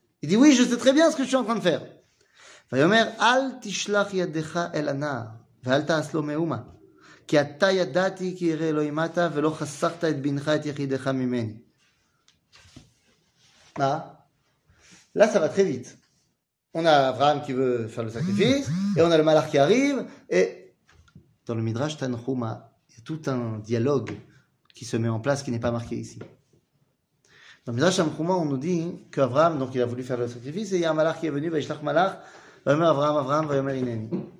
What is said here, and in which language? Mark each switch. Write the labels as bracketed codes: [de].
[fr] Il dit oui, je sais très bien ce que je suis en train de faire. [he] ויאמר אל תשלח ידך אל הנער ואל תעש לו מאומה. כי אתה ידעתי כי ירא אלוהים אתה ולא חסכת את בנך את יחידך ממני. [fr] מה? Là, ça va très vite. On a Abraham qui veut faire le sacrifice, et on a le malach qui arrive, et dans le Midrash Tanhuma, il y a tout un dialogue qui se met en place, qui n'est pas marqué ici. Dans le Midrash Tanhuma, on nous dit qu'Abraham, donc il a voulu faire le sacrifice, et il y a un malach qui est venu, [he] Vaishlach malach, Vayomer Abraham, Abraham, Vayomer Ineni.